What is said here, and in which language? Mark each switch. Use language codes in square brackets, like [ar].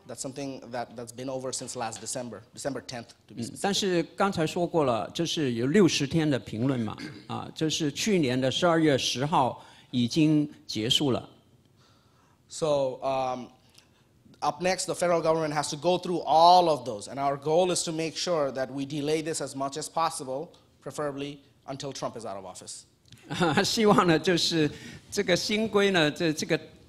[en] That's something that's been over since last December, December 10th, to be specific. [zh] 但是刚才说过了，这是有60天的评论嘛，这是去年的12月10号已经结束了。 [en] So up next, the federal government has to go through all of those, and our goal is to make sure that we delay this as much as possible, preferably until Trump is out of office. [zh] 希望呢，就是这个新规呢，这个。